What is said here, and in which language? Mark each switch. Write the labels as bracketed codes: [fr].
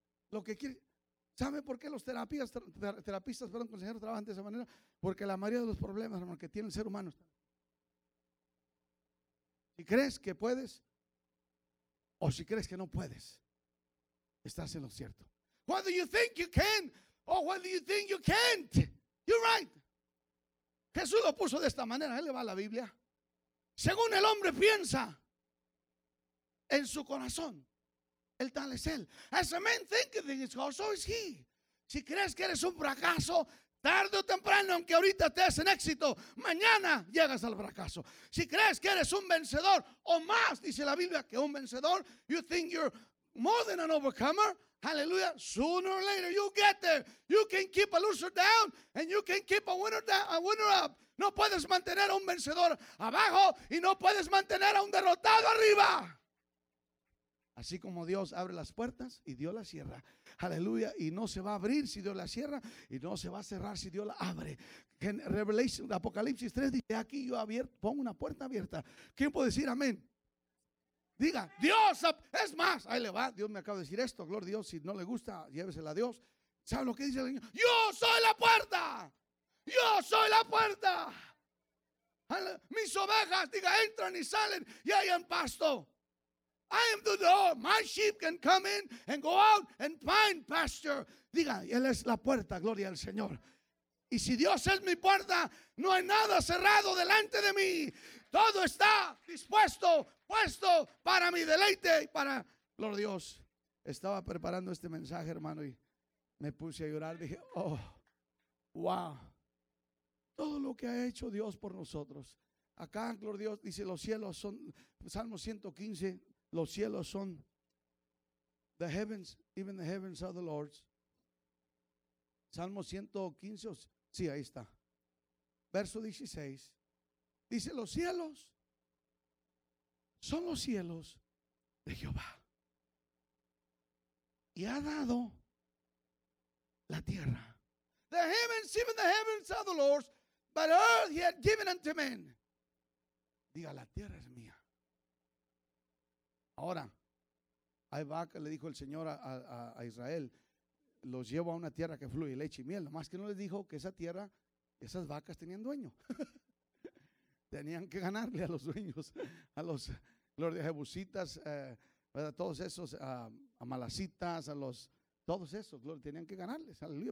[es] Lo que quiere, ¿sabe por qué los terapistas, perdón, consejeros trabajan de esa manera? Porque la mayoría de los problemas, hermano, que tiene el ser humano. Si crees que puedes, o si crees que no puedes, estás en lo cierto. [en] Whether you think you can, or whether you think you can't, you're right. [es] Jesús lo puso de esta manera, él le va a la Biblia. Según el hombre piensa en su corazón. El tal es él. [en] As a man thinketh in his heart, so is he. [es] Si crees que eres un fracaso, Tarde o temprano, aunque ahorita estés en éxito, mañana llegas al fracaso. Si crees que eres un vencedor [en] o más, dice la Biblia, que un vencedor, you think you're more than an overcomer, hallelujah, sooner or later you'll get there. You can keep a loser down and you can keep a winner down, a winner up. [es] No puedes mantener a un vencedor abajo y no puedes mantener a un derrotado arriba. Así como Dios abre las puertas y Dios las cierra. Aleluya. Y no se va a abrir si Dios la cierra. Y no se va a cerrar si Dios la abre. En Revelation, Apocalipsis 3 dice: aquí yo abierto, pongo una puerta abierta. ¿Quién puede decir amén? Diga, Dios. Es más, ahí le va. Dios me acaba de decir esto. Gloria a Dios. Si no le gusta, llévesela a Dios. ¿Sabe lo que dice el Señor? Yo soy la puerta. Yo soy la puerta. Mis ovejas, diga, entran y salen y hay un pasto. [en] I am the door. My sheep can come in and go out and find pasture. [es] Diga, Él es la puerta, gloria al Señor. Y si Dios es mi puerta, no hay nada cerrado delante de mí. Todo está dispuesto, puesto para mi deleite y para, gloria a Dios. Estaba preparando este mensaje, hermano, y me puse a llorar. Dije, oh, wow. Todo lo que ha hecho Dios por nosotros. Acá, gloria a Dios, dice los cielos son, Salmo 115, los cielos son, [en] the heavens, even the heavens are the Lord's. [es] Salmo 115, sí, ahí está. Verso 16, dice, los cielos son los cielos de Jehová. Y ha dado la tierra. [en] The heavens, even the heavens are the Lord's, but earth he had given unto men. [es] Diga, la tierra es mía. Ahora, ahí va, le dijo el Señor a Israel, los llevo a una tierra que fluye leche y miel. Nomás que no les dijo que esa tierra, esas vacas tenían dueño. Tenían que ganarle a los dueños, a los, gloria, jebusitas, a todos esos, a malacitas, a los, todos esos, gloria, tenían que ganarles, aleluya.